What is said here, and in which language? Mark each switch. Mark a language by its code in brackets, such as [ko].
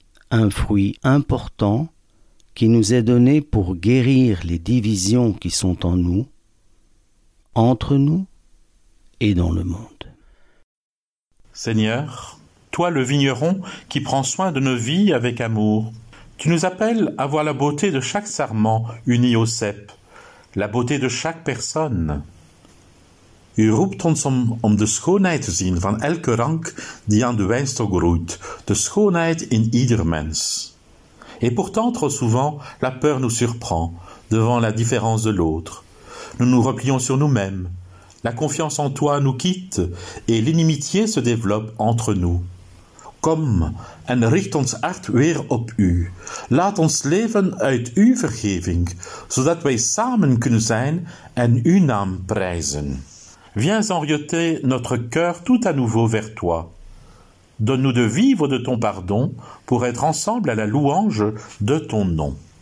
[fr] Un fruit important qui nous est donné pour guérir les divisions qui sont en nous, entre nous et dans le monde. Seigneur, toi le vigneron qui prends soin de nos vies avec amour, tu nous appelles à voir la beauté de chaque sarment uni au cep, la beauté de chaque personne. [nl] U roept ons om de schoonheid te zien van elke rank die aan de wijnstok groeit, de schoonheid in ieder mens. [fr] Et pourtant, trop souvent, la peur nous surprend devant la différence de l'autre. Nous nous replions sur nous-mêmes, la confiance en toi nous quitte et l'inimitié se développe entre nous. [nl] Kom en richt ons hart weer op u. Laat ons leven uit uw vergeving, zodat wij samen kunnen zijn en uw naam prijzen. [fr] Viens enrioter notre cœur tout à nouveau vers toi. Donne-nous de vivre de ton pardon pour être ensemble à la louange de ton nom.